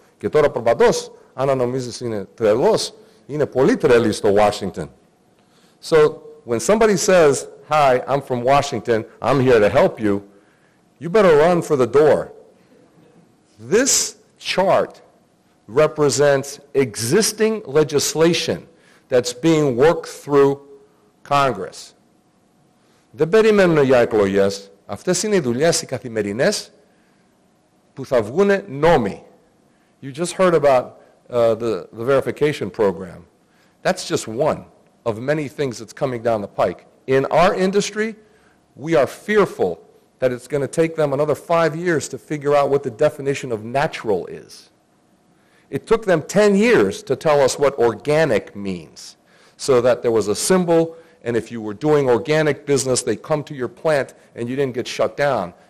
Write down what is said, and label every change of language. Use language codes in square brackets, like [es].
[el] Και τώρα προπαντός, αν νομίζεις είναι τρελός, είναι πολύ τρελή στο Washington. [en] So when somebody says, hi, I'm from Washington, I'm here to help you, you better run for the door. This chart represents existing legislation that's being worked through Congress. [el] Δεν περιμένουν για εκλογές. Αυτές είναι οι δουλειές οι καθημερινές που θα βγουν νόμοι. [en] You just heard about the verification program. That's just one of many things that's coming down the pike. In our industry, we are fearful that it's going to take them another 5 years to figure out what the definition of natural is. It took them 10 years to tell us what organic means, so that there was a symbol, and if you were doing organic business, they come to your plant and you didn't get shut down.